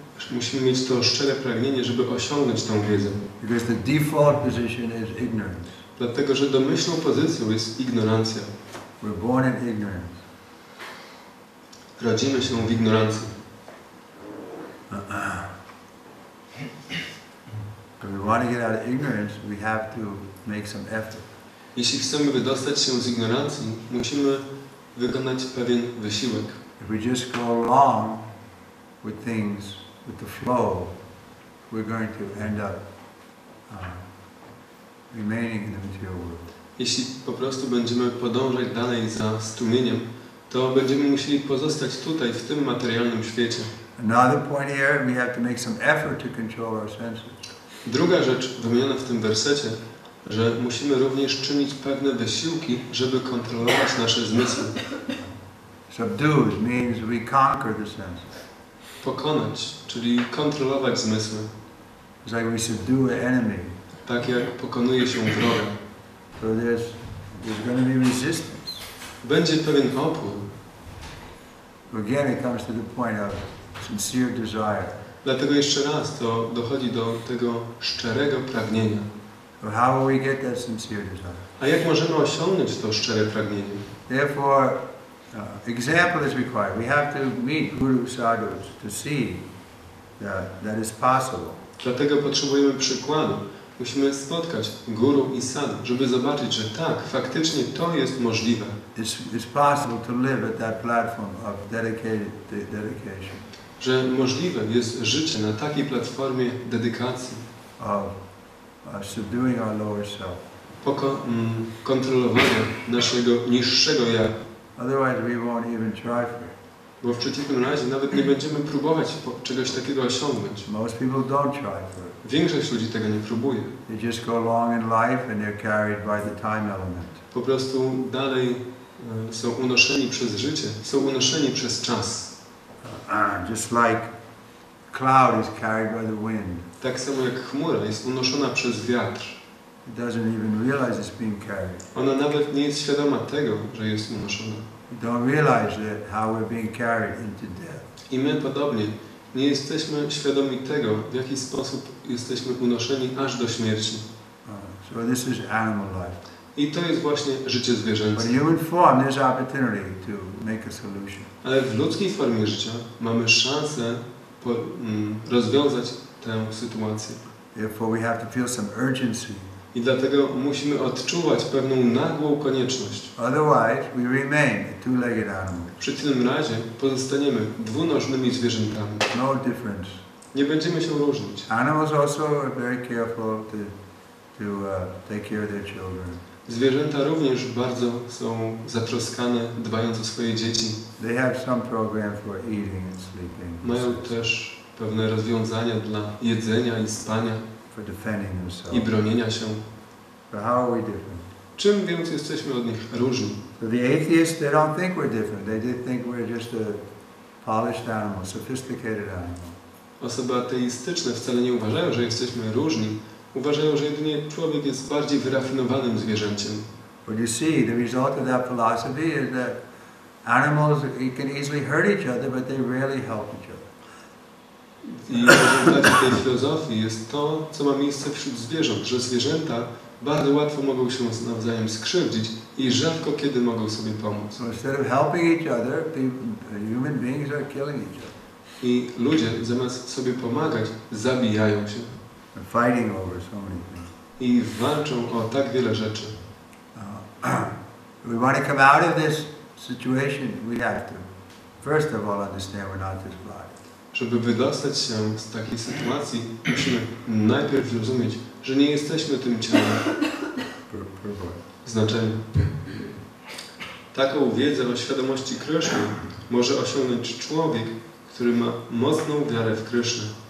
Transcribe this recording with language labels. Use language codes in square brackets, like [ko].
[pl] Musimy mieć to szczere pragnienie, żeby osiągnąć tą wiedzę. [en] Because the default position is ignorance. [pl] Dlatego, że domyślną pozycją jest ignorancja. [en] We're born in ignorance. [pl] Rodzimy się w ignorancji. [en] If we want to get out of ignorance, we have to make some effort. [pl] Jeśli chcemy wydostać się z ignorancji, musimy wykonać pewien wysiłek. [en] If we just go along with things, with the flow, we're going to end up remaining in the material world. [pl] Jeśli po prostu będziemy podążać dalej za strumieniem, to będziemy musieli pozostać tutaj, w tym materialnym świecie. [en] Another point here, we have to make some effort to control our senses. [pl] Druga rzecz wymieniona w tym wersecie, że musimy również czynić pewne wysiłki, żeby kontrolować nasze zmysły. [en] Subdue means we conquer the senses. [pl] Pokonać, czyli kontrolować zmysły. [en] It's like we subdue an enemy. [pl] Tak jak pokonuje się wroga. [en] So there's going to be resistance. [pl] Będzie pewien opór. [en] Again, it comes to the point of sincere desire. [pl] Dlatego jeszcze raz to dochodzi do tego szczerego pragnienia. [en] So how will we get that sincere desire? [pl] A jak możemy osiągnąć to szczere pragnienie? [en] Therefore, example is required. We have to meet guru sadhus to see that is possible. [pl] Dlatego potrzebujemy przykładu. Musimy spotkać guru i sadhu, żeby zobaczyć, że tak, faktycznie to jest możliwe. [en] It's possible to live at that platform of dedication. [pl] Że możliwe jest życie na takiej platformie dedykacji. [en] Subduing our lower self. [pl] Kontrolowania naszego niższego ja. [en] Otherwise we won't even try for it. [pl] Bo w przeciwnym razie nawet nie będziemy próbować czegoś takiego osiągnąć. [en] Most people don't try for it. [pl] Większość ludzi tego nie próbuje. [en] They just go along in life and they're carried by the time element. [pl] Po prostu dalej są unoszeni przez życie, są unoszeni przez czas. [en] Just like cloud is carried by the wind. [pl] Tak samo jak chmura jest unoszona przez wiatr. [en] It doesn't even realize it's being carried. [pl] Ona nawet nie jest świadoma tego, że jest unoszona. [en] We don't realize that how we're being carried into death. [pl] I my podobnie nie jesteśmy świadomi tego, w jaki sposób jesteśmy unoszeni aż do śmierci. [en] So this is animal life. [pl] I to jest właśnie życie zwierzęce. [en] But in human form, there's opportunity to make a solution. [pl] Ale w ludzkiej formie życia mamy szansę rozwiązać tę sytuację. [en] Therefore we have to feel some urgency. [pl] I dlatego musimy odczuwać pewną nagłą konieczność. [en] Otherwise, we remain a two-legged animal. [pl] Przy tym razie pozostaniemy dwunożnymi zwierzętami. [en] No difference. [pl] Nie będziemy się różnić. [en] Animals also are very careful to take care of their children. [pl] Zwierzęta również bardzo są zatroskane, dbając o swoje dzieci. [en] They have some program for eating and sleeping. [pl] Mają też pewne rozwiązania dla jedzenia i spania. [en] For defending themselves. [pl] I bronienia się. [en] But how are we different? [pl] Czym więc jesteśmy od nich różni? [en] So the atheists, they don't think we're different. They do think we're just a polished animal, sophisticated animal. [pl] Osoby ateistyczne wcale nie uważają, że jesteśmy różni. Uważają, że jedynie człowiek jest bardziej wyrafinowanym zwierzęciem. [en] But you see, the result of that philosophy is that animals can easily hurt each other, but they rarely help each other. [pl] I rezultatem tej filozofii jest to, co ma miejsce wśród zwierząt, że zwierzęta bardzo łatwo mogą się nawzajem skrzywdzić i rzadko kiedy mogą sobie pomóc. [en] So instead of helping each other, human beings are killing each other. [pl] I ludzie zamiast sobie pomagać, zabijają się. [en] Fighting over so many things. [pl] I walczą o tak wiele rzeczy. [en] We want to come out of this situation. We have to, first of all, understand we're not this body. [pl] Żeby wydostać się z takiej sytuacji, musimy najpierw zrozumieć, że nie jesteśmy tym ciałem. Znaczenie. Taką wiedzę o świadomości Kryszny może osiągnąć człowiek, który ma mocną wiarę w Krysznę.